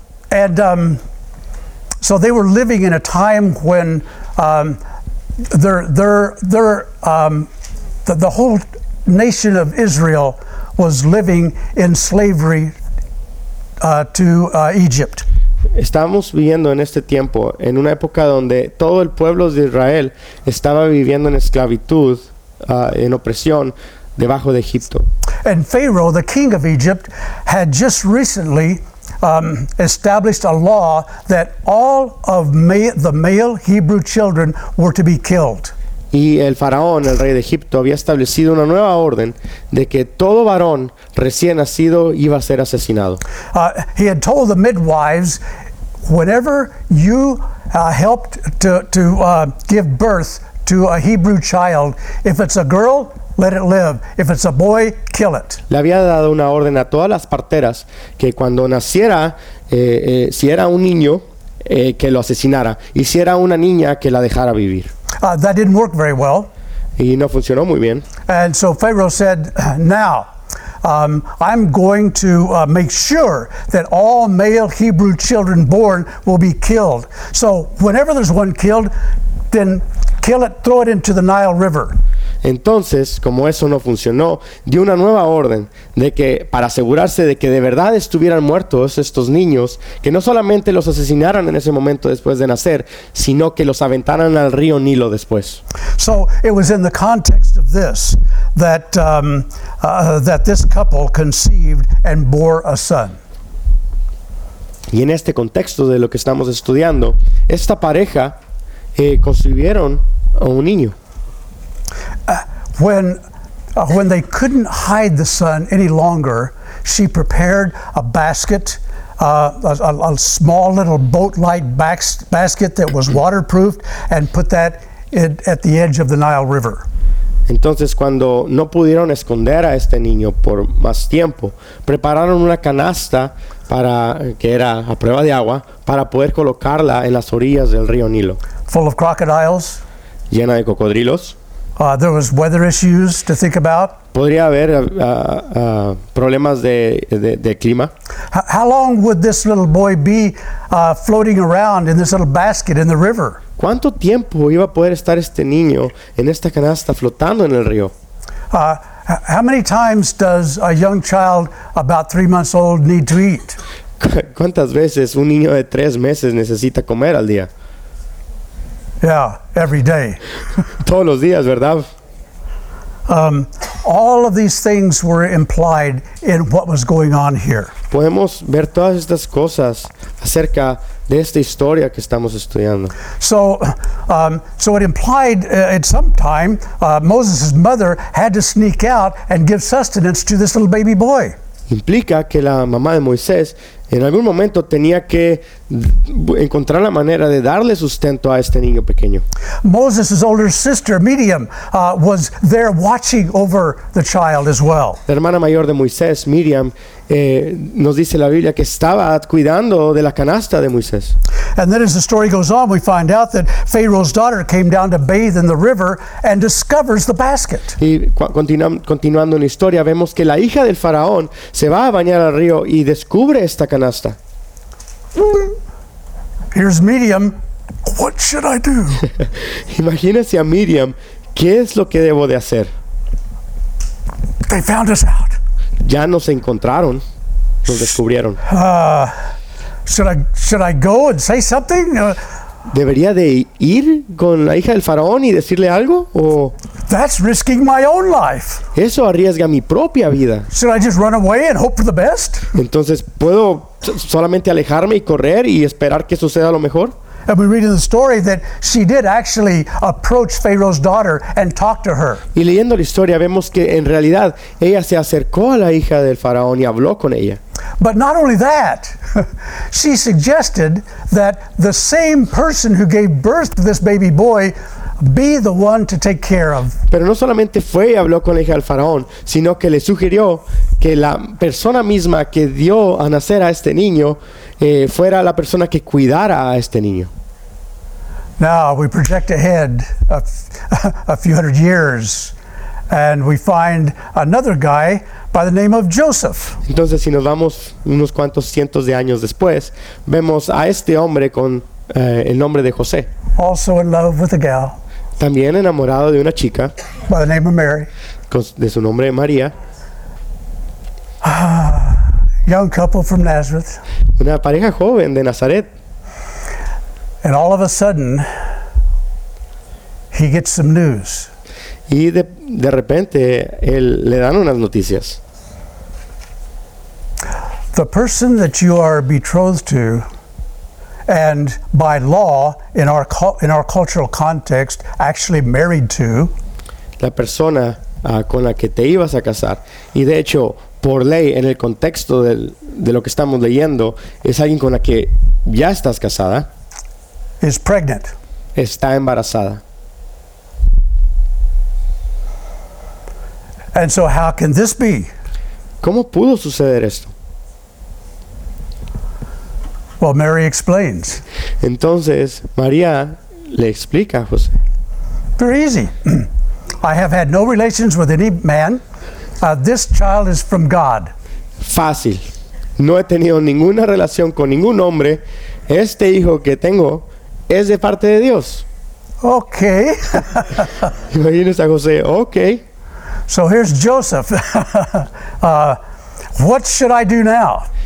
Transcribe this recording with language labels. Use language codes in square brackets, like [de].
[en] So they were living in a time when the whole nation of Israel was living in slavery to Egypt. [es] Estamos viviendo en este tiempo en una época donde todo el pueblo de Israel estaba viviendo en esclavitud, en opresión debajo de Egipto. [en] And Pharaoh, the king of Egypt, had just recently established a law that all of the male Hebrew children were to be killed. [es] Y el faraón, el rey de Egipto, había establecido una nueva orden de que todo varón recién nacido iba a ser asesinado. [en] He had told the midwives, whenever you helped to give birth to a Hebrew child, if it's a girl, let it live. If it's a boy, kill it. [es] Le había dado una orden a todas las parteras que cuando naciera, si era un niño, que lo asesinara. Y si era una niña, que la dejara vivir. [en] That didn't work very well. [es] Y no funcionó muy bien. [en] And so Pharaoh said, now, I'm going to make sure that all male Hebrew children born will be killed. So whenever there's one killed, then kill it, throw it into the Nile River. [es] Entonces, como eso no funcionó, dio una nueva orden de que, para asegurarse de que de verdad estuvieran muertos estos niños, que no solamente los asesinaran en ese momento después de nacer, sino que los aventaran al río Nilo después. [en] So, it was in the context of this that that this couple conceived and bore a son. [es] Y en este contexto de lo que estamos estudiando, esta pareja concibieron a un niño. [en] When they couldn't hide the son any longer, she prepared a basket a small little boat-like basket that was waterproofed and put that in, at the edge of the Nile River. [es] Entonces, cuando no pudieron esconder a este niño por más tiempo, prepararon una canasta para que era a prueba de agua para poder colocarla en las orillas del río Nilo. [en] Full of crocodiles. [es] Llena de cocodrilos. [en] There was weather issues to think about. [es] Podría haber problemas de clima. [en] How long would this little boy be floating around in this little basket in the river? [es] ¿Cuánto tiempo iba a poder estar este niño en esta canasta flotando en el río? [en] How many times does a young child about 3 months old need to eat? [es] ¿Cuántas veces un niño de 3 meses necesita comer al día? [en] Yeah, every day. [es] Todos los días, ¿verdad? [en] All of these things were implied in what was going on here. [es] Podemos ver todas estas cosas acerca de esta historia que estamos estudiando. [en] So it implied at some time Moses' mother had to sneak out and give sustenance to this little baby boy. [es] Implica que la mamá de Moisés en algún momento tenía que encontrar la manera de darle sustento a este niño pequeño. [en] Moses' older sister, Miriam, was there watching over the child as well. [es] La hermana mayor de Moisés, Miriam, nos dice la Biblia que estaba cuidando de la canasta de Moisés. [en] And then as the story goes on, we find out that Pharaoh's daughter came down to bathe in the river and discovers the basket. [es] Y continuando la historia, vemos que la hija del faraón se va a bañar al río y descubre esta canasta. [en] Here's Miriam. What should I do? [es] Imagínese a Miriam. ¿Qué es lo que debo de hacer? [en] They found us out. [es] Ya nos encontraron. Nos descubrieron. [en] Should I go and say something? [es] ¿Debería de ir con la hija del faraón y decirle algo? ¿O [en] that's risking my own life. [es] Eso arriesga mi propia vida. [en] Should I just run away and hope for the best? [es] Entonces, ¿puedo solamente alejarme y correr y esperar que suceda lo mejor? [en] And we read in the story that she did actually approach Pharaoh's daughter and talk to her. [es] Y leyendo la historia vemos que en realidad ella se acercó a la hija del faraón y habló con ella. [en] But not only that, she suggested that the same person who gave birth to this baby boy be the one to take care of. [es] Pero no solamente fue y habló con la hija del faraón, sino que le sugirió que la persona misma que dio a nacer a este niño fuera la persona que cuidara a este niño. [en] Now we project ahead a few hundred years and we find another guy by the name of Joseph. [es] Entonces, si nos vamos unos cuantos cientos de años después, vemos a este hombre con el nombre de José. [en] Also in love with a gal. [es] También enamorado de una chica. [en] By the name of Mary. [es] De su nombre María. [en] Young couple from Nazareth. [es] Una pareja joven de Nazaret. [en] And all of a sudden, he gets some news. [es] Y de repente, él le dan unas noticias. [en] The person that you are betrothed to, and by law, in our cultural context, actually married to. [es] La persona con la que te ibas a casar, y de hecho, por ley, en el contexto de lo que estamos leyendo, es alguien con la que ya estás casada. [en] Is pregnant. [es] Está embarazada. [en] And so how can this be? [es] ¿Cómo pudo suceder esto? [en] Well, Mary explains. [es] Entonces, María le explica a José. [en] Very easy. I have had no relations with any man. This child is from God. [es] Fácil. No he tenido ninguna relación con ningún hombre. Este hijo que tengo es de parte de Dios. [en] Okay. [es] Imagínese a José. Okay. [en] So here's Joseph. What should I do now?